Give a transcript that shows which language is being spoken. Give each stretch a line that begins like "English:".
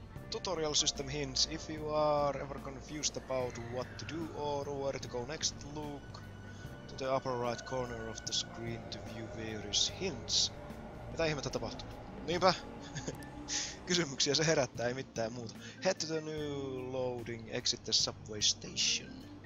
English: Tutorial system hints, if you are ever confused about what to do or where to go next, look to the upper right corner of the screen to view various hints.
Finnish: Mitä ihmettä tapahtuu? Niinpä! Kysymyksiä se herättää, ei mitään muuta.
English: Head to the new loading, exit the subway station.